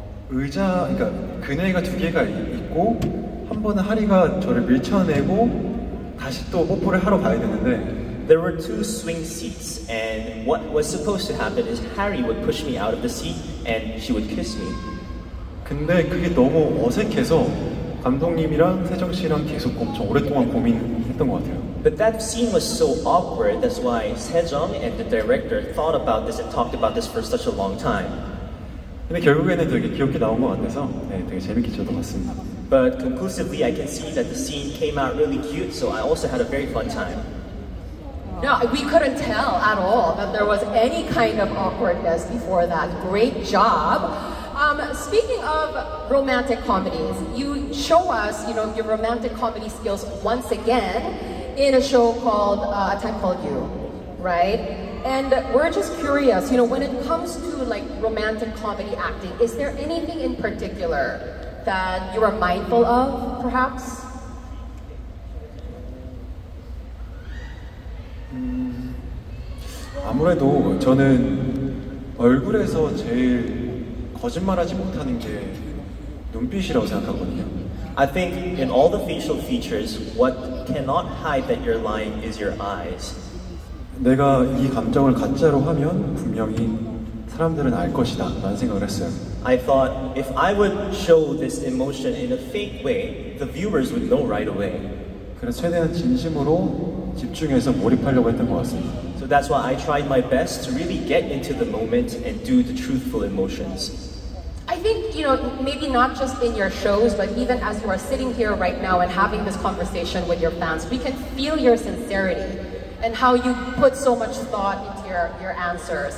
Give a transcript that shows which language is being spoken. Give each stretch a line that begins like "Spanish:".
Korean: 의자, 그러니까 그네가 두 개가 있고 한 번은 하리가 저를 밀쳐내고 다시 또 뽀뽀를 하러 가야 되는데
English: There were two swing seats and what was supposed to happen is Harry would push me out of the seat and she would kiss me.
Korean: 근데 그게 너무 어색해서 감독님이랑 세정 씨랑 계속 엄청 오랫동안 고민했던 것 같아요.
English: But that scene was so awkward. That's why Sejong and the director thought about this and talked about this for such a long time.
Korean: 근데 결국에는 되게 귀엽게 나온 것 같아서 네, 되게 재밌게 찍어 봤습니다.
English: But conclusively, I can see that the scene came out really cute, so I also had a very fun time. No, we couldn't tell at all that there was any kind of awkwardness before that. Great job. Speaking of romantic comedies, you show us, you know, your romantic comedy skills once again in a show called A Time Called You, right? And we're just curious, you know, when it comes to like romantic comedy acting, is there anything in particular that you are mindful of, perhaps?
Korean: 아무래도 저는 얼굴에서 제일 거짓말하지 못하는 게 눈빛이라고 생각하거든요.
English: I think in all the facial features, what cannot hide that you're lying is your eyes.
Korean: 내가 이 감정을 가짜로 하면 분명히 사람들은 알 것이다 라는 생각을 했어요.
English: I thought if I would show this emotion in a fake way, the viewers would know right away.
Korean: 그래서 최대한 진심으로 집중해서 몰입하려고 했던 것 같습니다.
English: So that's why I tried my best to really get into the moment and do the truthful emotions. I think, you know, maybe not just in your shows, but even as you are sitting here right now and having this conversation with your fans, we can feel your sincerity and how you put so much thought into your answers.